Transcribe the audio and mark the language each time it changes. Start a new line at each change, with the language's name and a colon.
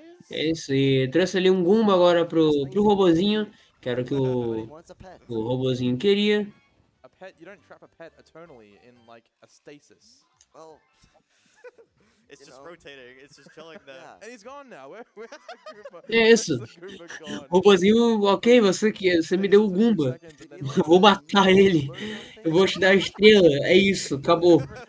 Portuguese: É isso, e trouxe ali um Goomba agora pro robozinho, que era o que o robozinho queria.
English: A pet, you don't trap a pet eternally in like a stasis. Well, it's just rotating, it's just chilling there. Yeah. And he's gone now, where is the Goomba?
Portuguese: É isso, robozinho, ok, você me deu o Goomba, vou matar ele, eu vou te dar a estrela, é isso, acabou.